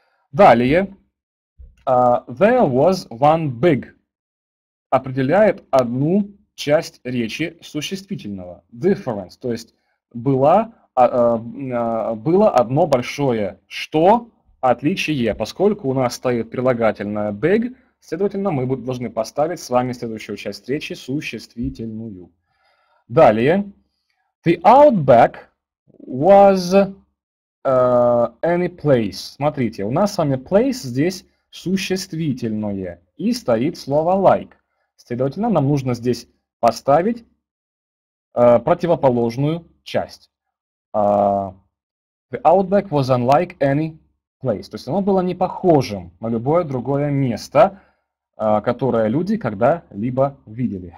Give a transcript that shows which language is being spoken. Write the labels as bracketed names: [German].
[Russian] Далее, [English] there was one big [Russian] определяет одну часть речи существительного. Difference, то есть было одно большое что отличие, поскольку у нас стоит прилагательное big, следовательно, мы должны поставить с вами следующую часть речи существительную. Далее. [English] The outback was any place. [Russian] Смотрите, у нас с вами place здесь существительное. И стоит слово like. Следовательно, нам нужно здесь поставить противоположную часть. [English] The outback was unlike any place. [Russian] То есть оно было не похожим на любое другое место, которое люди когда-либо видели.